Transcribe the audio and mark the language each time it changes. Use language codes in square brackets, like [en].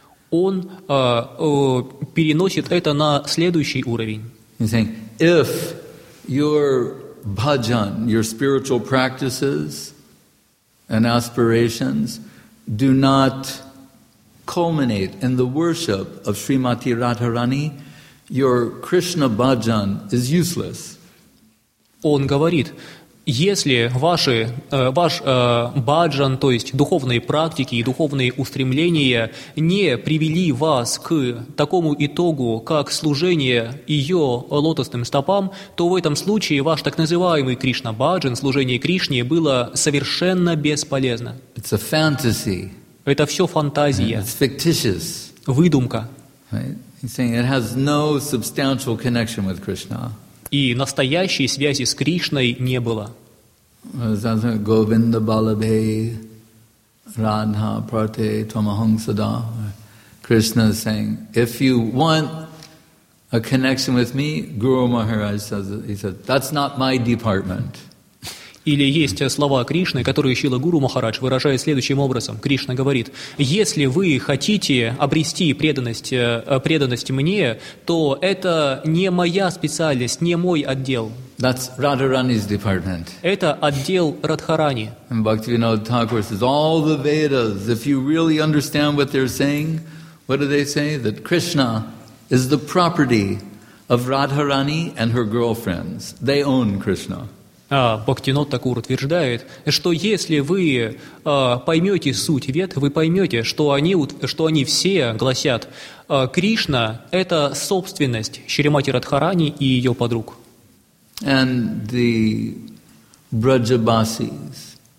[ru] Он переносит это на следующий уровень. [en] He's saying, if your bhajan, your spiritual practices and aspirations do not culminate in the worship of Srimati Radharani, your Krishna bhajan is useless. [ru] Он говорит, если ваши, ваш баджан, то есть духовные практики и духовные устремления не привели вас к такому итогу, как служение ее лотосным стопам, то в этом случае ваш так называемый Кришна-баджан, служение Кришне, было совершенно бесполезно. [en] It's a fantasy. [ru] Это все фантазия. [en] It's fictitious. [ru] Выдумка. [en] Right? He's saying it has no substantial connection with Krishna. [ru] И настоящей связи с Кришной не было. [sa] Говинда Балабхей Радха Прате Твамахам Сада. [en] Krishna is saying, if you want a connection with me, Guru Maharaj says, he said, that's not my department. [ru] Или есть слова Кришны, которые Шрила Гуру Махарадж выражает следующим образом. Кришна говорит, если вы хотите обрести преданность мне, то это не моя специальность, не мой отдел. [en] That's Radharani's department. [ru] Это отдел Радхарани. [en] And Bhaktivinoda Thakur says, all the Vedas, if you really understand what they're saying, what do they say? That Krishna is the property of Radharani and her girlfriends. They own Krishna. [ru] Бхактинод Такур утверждает, что если вы поймете суть вед, вы поймете, что они все гласят, Кришна – это собственность Шримати Радхарани и ее подруг. [en] And the Браджабасис.